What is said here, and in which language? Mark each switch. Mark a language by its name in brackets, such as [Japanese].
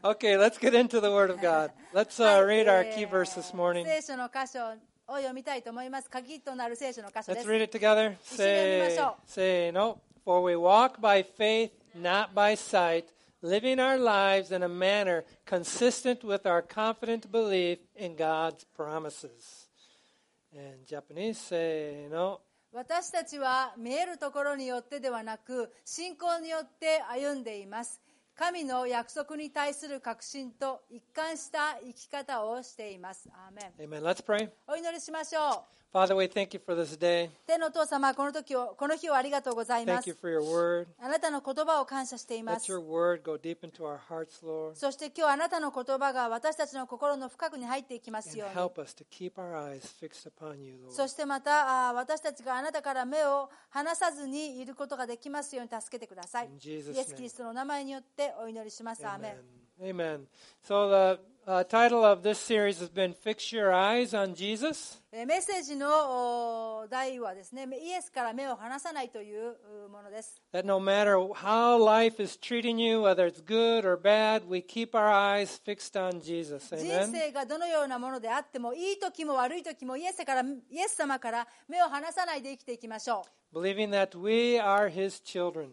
[English] Okay, let's get into the Word of God. Let's read our key verse this morning. [Japanese] 聖書の箇所を読みたいと思います。鍵となる聖書の箇所です。 [English] Let's read it together. Say no. For we walk by faith, not by sight, living our lives in a manner consistent with our confident belief in God's promises. In Japanese, say no. [Japanese] 私たちは見えるところによってではなく信仰によって歩んでいます。神の約束に対する確信と一貫した生き方をしています。アーメン。 [English] Amen. Let's pray. [Japanese] お祈りしましょう。 [English] Father, we thank you for this day. [Japanese] 天のお父様、この日をありがとうございます。 [English] Thank you for your word. [Japanese] あなたの言葉を感謝しています。 [English] Let your word go deep into our hearts, Lord. [Japanese] そして今日あなたの言葉が私たちの心の深くに入っていきますように。 [English] And help us to keep our eyes fixed upon you, Lord. [Japanese] そしてまた私たちがあなたから目を離さずにいることができますように助けてください。 [English] In Jesus' [Japanese] name. イエス・キリストの名前によってお祈りします。アーメン。 [English] Amen. So the title of this series has been Fix Your Eyes on Jesus. [Japanese] メッセージの題はですね、イエスから目を離さないというものです。 [English] That no matter how life is treating you, whether it's good or bad, we keep our eyes fixed on Jesus. Amen. [Japanese] 人生がどのようなものであっても、いい時も悪い時もイエス様から目を離さないで生きていきましょう。 [English] Believing that we are His children.